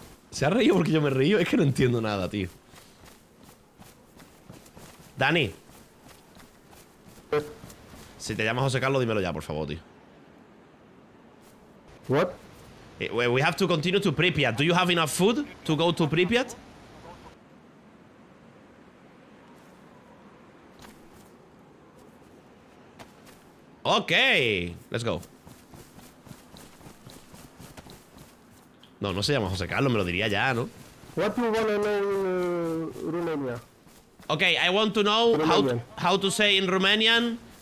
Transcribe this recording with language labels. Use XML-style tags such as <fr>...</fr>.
<es>Se ha reído porque yo me he reído. Es que no entiendo nada, tío. Dani. Si te llamas José Carlos, dímelo ya, por favor, tío.</es> <en>What? We have to continue to Pripyat. Do you have enough food to go to Pripyat? Okay, let's go.</en> <es>No, no se llama José Carlos, me lo diría ya, ¿no?</es> <en>What do you want to know in Romania? Okay, I want to know how to say in Romanian.</en>